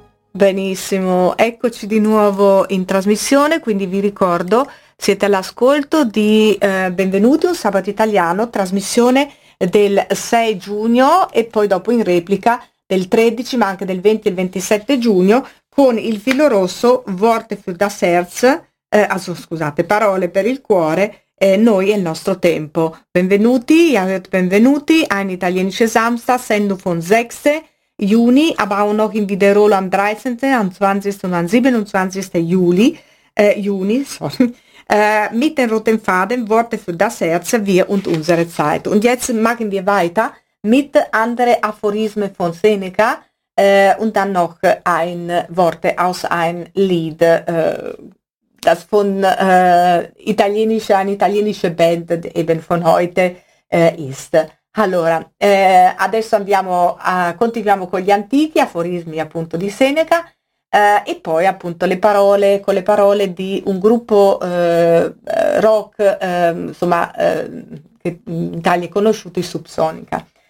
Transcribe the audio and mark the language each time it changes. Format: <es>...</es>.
<it>Benissimo, eccoci di nuovo in trasmissione, quindi vi ricordo, siete all'ascolto di Benvenuti un sabato italiano, trasmissione del 6 giugno e poi dopo in replica del 13 ma anche del 20 e il 27 giugno con il filo rosso</it> <de>Worte für das Herz.</de> <it>Scusate, parole per il cuore, noi e il nostro tempo. Benvenuti, benvenuti,</it> <de>ein italienisches Samstag, Sendung von 6. Juni, aber auch noch in Wiederholung am 13., am 20. und am 27. Juli, Juni, sorry, mit den roten Faden, Worte für das Herz, wir und unsere Zeit. Und jetzt machen wir weiter mit anderen Aphorismen von Seneca. Und dann noch ein Worte aus ein Lied, das von eine italienische Band eben von heute ist.</de> <it>Allora, adesso continuiamo con gli antichi aforismi appunto di Seneca e poi appunto con le parole di un gruppo rock insomma che in Italia è conosciuto, i Subsonica.</it>